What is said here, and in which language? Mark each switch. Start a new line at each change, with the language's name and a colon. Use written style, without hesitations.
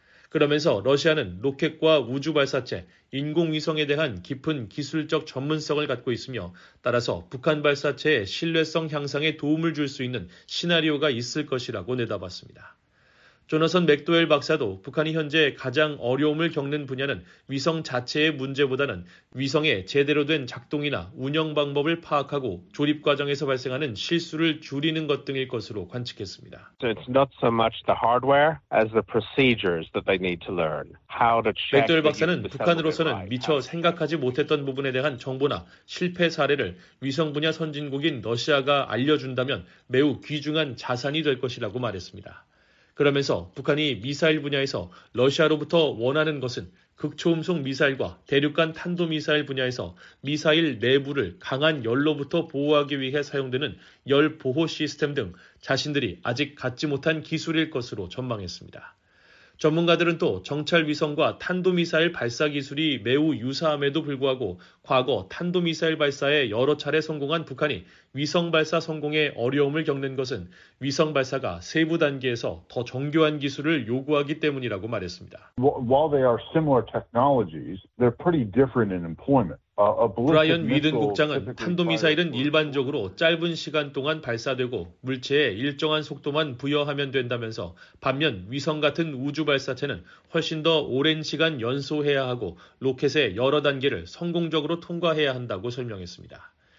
Korean: 그러면서 러시아는 로켓과 우주발사체, 인공위성에 대한 깊은 기술적 전문성을 갖고 있으며 따라서 북한 발사체의 신뢰성 향상에 도움을 줄 수 있는 시나리오가 있을 것이라고 내다봤습니다. 조너선 맥도웰 박사도 북한이 현재 가장 어려움을 겪는 분야는 위성 자체의 문제보다는 위성의 제대로 된 작동이나 운영 방법을 파악하고 조립 과정에서 발생하는 실수를 줄이는 것 등일 것으로 관측했습니다.
English: So it's not so much the hardware as the procedures that they need to learn how to check.
Korean: 맥도웰 박사는 북한으로서는 미처 생각하지 못했던 부분에 대한 정보나 실패 사례를 위성 분야 선진국인 러시아가 알려준다면 매우 귀중한 자산이 될 것이라고 말했습니다. 그러면서 북한이 미사일 분야에서 러시아로부터 원하는 것은 극초음속 미사일과 대륙간 탄도미사일 분야에서 미사일 내부를 강한 열로부터 보호하기 위해 사용되는 열 보호 시스템 등 자신들이 아직 갖지 못한 기술일 것으로 전망했습니다. 전문가들은 또 정찰위성과 탄도미사일 발사 기술이 매우 유사함에도 불구하고 과거 탄도미사일 발사에 여러 차례 성공한 북한이 위성 발사 성공에 어려움을 겪는 것은 위성 발사가 세부 단계에서 더 정교한 기술을 요구하기 때문이라고 말했습니다.
English: While they are similar technologies, they're pretty different in employment.
Korean: 브라이언 위든 국장은 탄도미사일은 일반적으로 짧은 시간 동안 발사되고 물체에 일정한 속도만 부여하면 된다면서 반면 위성 같은 우주 발사체는 훨씬 더 오랜 시간 연소해야 하고 로켓의 여러 단계를 성공적으로 통과해야 한다고 설명했습니다.